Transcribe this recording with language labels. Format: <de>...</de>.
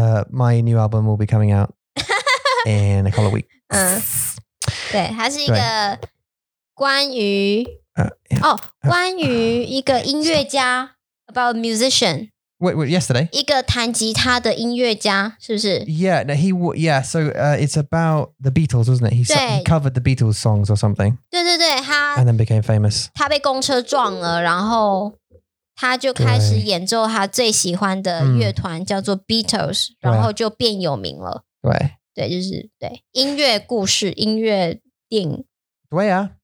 <en>My new album will be coming out in a couple of weeks.</en> <zh>对，它是一个关于。关于一个音乐家</zh> <en>about musician. Wait, yesterday.</en> <zh>一个弹吉他的音乐家，是不是？</zh> <en>Yeah, no, it's about the Beatles, wasn't it? He covered the Beatles songs or something.</en> <zh>对，他</zh> <en>and then became famous.</en> <zh>他被公车撞了，然后他就开始演奏他最喜欢的乐团，叫做 Beatles， 然后就变有名了。对，就是音乐故事，音乐电影。对啊。</zh>